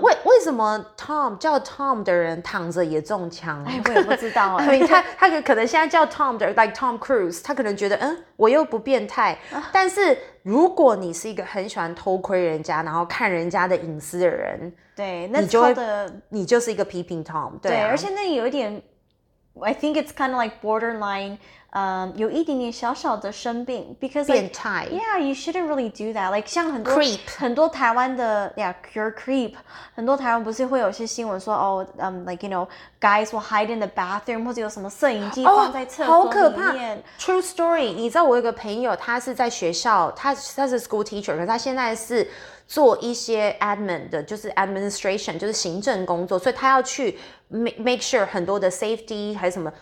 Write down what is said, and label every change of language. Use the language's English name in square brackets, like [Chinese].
[Chinese] 为什么 Tom 叫 Tom 的人躺着也中枪？哎，我也不知道哎。他可能现在叫 Tom 的 ，like Tom Cruise， 他可能觉得我又不变态，但是如果你是一个很喜欢偷窥人家，然后看人家的隐私的人，对，你就是一个 peeping tom 对、啊。对，而且那有一点。 [English] I think it's kind of like borderline, [Chinese] 有一点点小小的生病 [English] because like, [Chinese] 变态 [English] yeah, you shouldn't really do that. Like [Chinese] 像很多 [English] creep [Chinese] 很多台湾的 [English] yeah, you're creep. [Chinese] 很多台湾不是会有些新闻说 [English] like you know, guys will hide in the bathroom [Chinese] 或者有什么摄影机放在厕所里面。好可怕。 [English] True story. [Chinese] 你知道我有一个朋友，他是在学校，他是 school teacher， 可是他现在是。做一些 admin 的，就是 administration， 就是行政工作，所以他要去 [English] make sure [Chinese] 很多的 safety 还是什么。